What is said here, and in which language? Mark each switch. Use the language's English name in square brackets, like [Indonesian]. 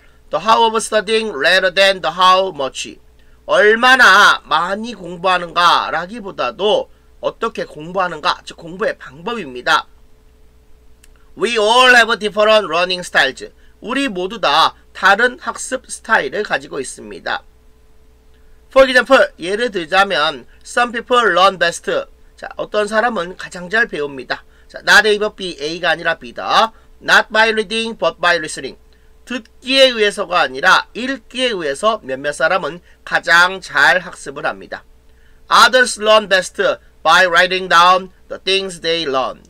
[English] The how of studying rather than the how much. [Korean] 얼마나 많이 공부하는가라기보다도 어떻게 공부하는가, 즉 공부의 방법입니다. [English] We all have different learning styles. [Korean] 우리 모두 다 다른 학습 스타일을 가지고 있습니다. [English] For example, [Korean] 예를 들자면 [English] some people learn best. [Korean] 자, 어떤 사람은 가장 잘 배웁니다. [English] 자, not A but B, [Korean] A가 아니라 B다. [English] Not by reading but by listening. [Korean] 듣기에 의해서가 아니라 읽기에 의해서 몇몇 사람은 가장 잘 학습을 합니다. [English] Others learn best by writing down the things they learn.